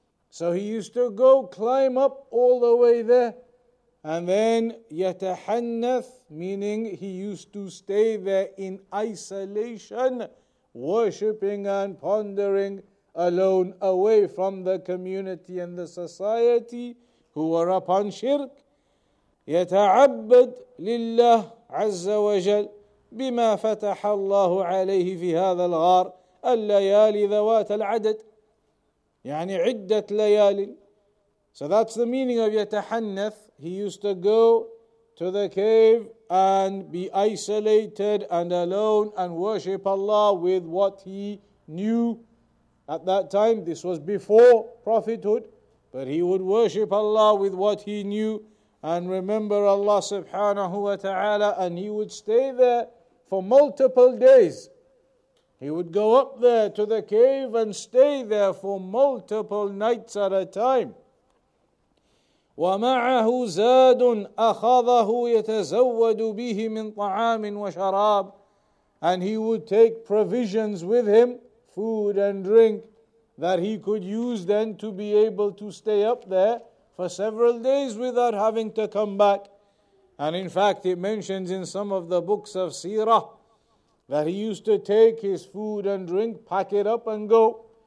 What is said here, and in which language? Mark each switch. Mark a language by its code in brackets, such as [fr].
[en] So he used to go climb up all the way there, and then يَتَحَنَّثُ, meaning he used to stay there in isolation, worshipping and pondering alone, away from the community and the society who were upon shirk. [ar] يتعبد لله عز وجل بما فتح الله عليه في هذا الغار الليالي ذوات العدد. يعني عدة ليالي. [en] So that's the meaning of يتحنث. He used to go to the cave and be isolated and alone and worship Allah with what he knew at that time. This was before prophethood, but he would worship Allah with what he knew and remember Allah subhanahu wa ta'ala, and he would stay there for multiple days. He would go up there to the cave and stay there for multiple nights at a time. [ar] ومعه زاد أخذه يتزود به من طعام وشراب. [en] And he would take provisions with him, food and drink, that he could use then to be able to stay up there for several days without having to come back. And in fact, it mentions in some of the books of Sirah that he used to take his food and drink, pack it up and go.